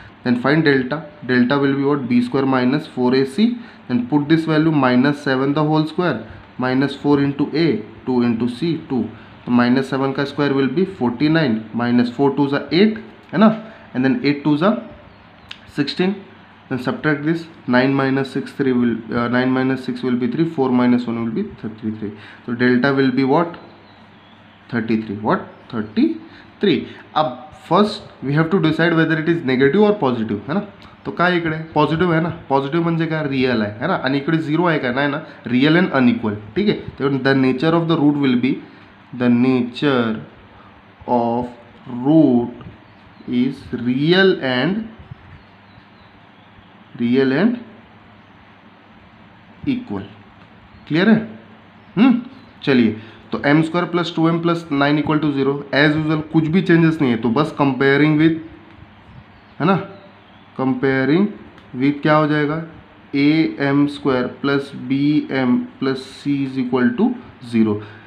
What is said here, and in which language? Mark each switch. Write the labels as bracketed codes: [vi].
[en] then find delta, delta will be what, b square minus four a c, then put this value, minus seven the whole square, minus four into a two into c two, [hi] तो minus seven का square [en] Will be 49, minus four two ज़ा eight, है ना, एंड देन एट टू ज़ा 16, then subtract this, nine minus six three will, nine minus six will be three, four minus one will be 33, तो delta will be what, 33, what 33। अब first we have to decide whether it is negative और positive, है ना। [mr] तो काय इकडे positive है ना, पॉजिटिव म्हणजे काय, रियल आहे, है ना, आणि इकडे झिरो आहे का, नाही ना, रियल अँड अनइक्वल। ठीक आहे, तर [en] The nature of the root will be, the nature of root is real and, real and equal. [mr] Clear आहे, चलिए। [hi] तो M square plus two M plus nine equal to zero, as usual कुछ भी changes नहीं है, तो बस comparing with, है ना, कंपेयरिंग विथ क्या हो जाएगा, [en] A m square plus b m plus c is equal to zero.